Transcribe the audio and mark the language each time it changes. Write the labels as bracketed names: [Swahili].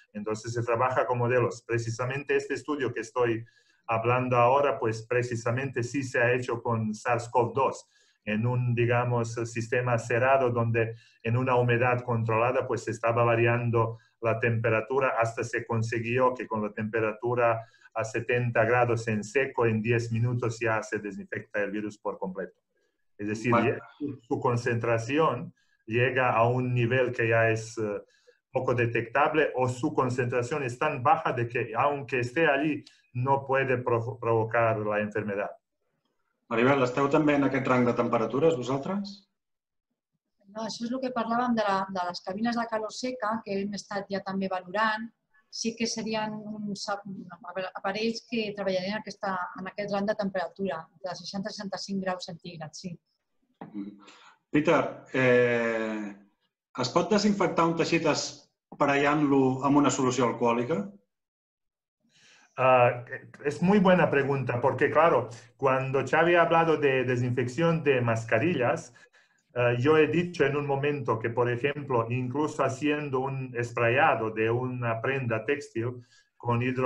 [Spanish] Entonces se trabaja con modelos. Precisamente este estudio que estoy hablando ahora, pues precisamente sí se ha hecho con SARS-CoV-2, en un, digamos, sistema cerrado donde en una humedad controlada, pues se estaba variando la temperatura hasta se consiguió que con la temperatura a 70 grados en seco, en 10 minutos ya se desinfecta el virus por completo. Es decir, bueno, su concentración llega a un nivel que ya es poco detectable o su concentración es tan baja de que, aunque esté allí, no puede provocar la enfermedad. [Catalan] Maribel, ¿esteu també en aquest rang de temperatures vosaltres? No, això és el que parlàvem de les cabines de calor seca, que hem estat ja també valorant. Sí que serien uns aparells que treballarien en aquest rang de temperatura, de 60 a 65 graus centígrads, sí. Peter, es pot desinfectar un teixit esparellant-lo amb una solució alcohòlica? [Spanish] Es muy buena pregunta, porque claro, cuando Xavi ha hablado de desinfección de mascarillas, yo he dicho en un momento que, por ejemplo, incluso haciendo un sprayado de una prenda textil con